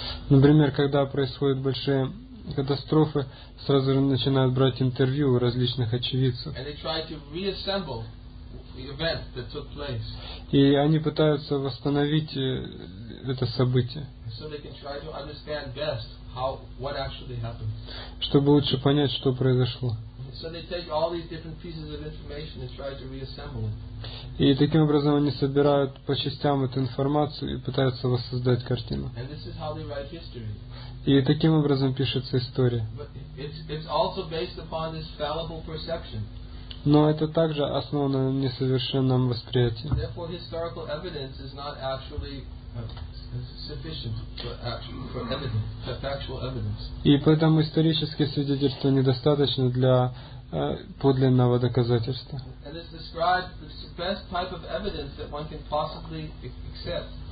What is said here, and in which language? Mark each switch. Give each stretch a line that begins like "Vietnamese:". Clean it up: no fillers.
Russian: Например, когда происходят большие катастрофы, сразу же начинают брать интервью у различных очевидцев.
English: And they try to reassemble the event that took place.
Russian: И они пытаются восстановить это событие.
English: So they can try to understand best how, what actually happened.
Russian: Чтобы лучше понять, что произошло.
English: So they take all these different pieces of information and try to reassemble it.
Russian: И таким образом они собирают по частям эту информацию и пытаются воссоздать картину.
English: And this is how they write history.
Russian: И таким образом пишется история.
English: It's also based upon this fallible perception.
Russian: Но это также основано на несовершенном восприятии.
English: Therefore, historical evidence is not actually sufficient for evidence, for factual evidence.
Russian: И поэтому исторические свидетельства недостаточны для подлинного доказательства.
English: And it's described the best type of evidence that one can possibly accept.